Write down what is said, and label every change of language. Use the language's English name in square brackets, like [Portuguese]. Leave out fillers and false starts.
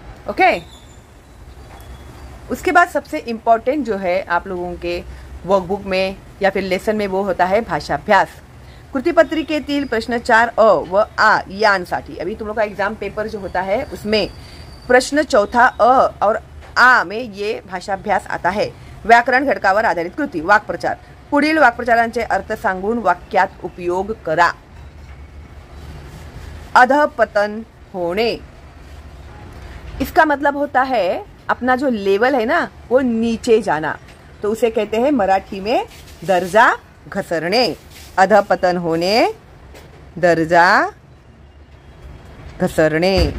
[Hindi] Okay, उसके बाद सबसे इम्पोर्टेंट जो है आप लोगों के वर्कबुक में या फिर लेसन में, वो होता है भाषाभ्यास. [Marathi] कृतिपत्रिकेतील प्रश्न 4 अ व आ यांसाठी. [Hindi] अभी तुम लोग का एग्जाम पेपर जो होता है उसमें प्रश्न 4 अ और आ में ये भाषाभ्यास आता है. [Marathi] व्याकरण घटकावर आधारित कृति. वाक्प्रचार, पुढील वाक्प्रचारांचे अर्थ सांगून वाक्यात उपयोग करा. अधपतन होणे, [Hindi] इसका मतलब होता है अपना जो लेवल है ना वो नीचे जाना, तो उसे कहते हैं मराठी में [Marathi] दर्जा घसरणे. अधपतन होने, दर्जा घसरणे.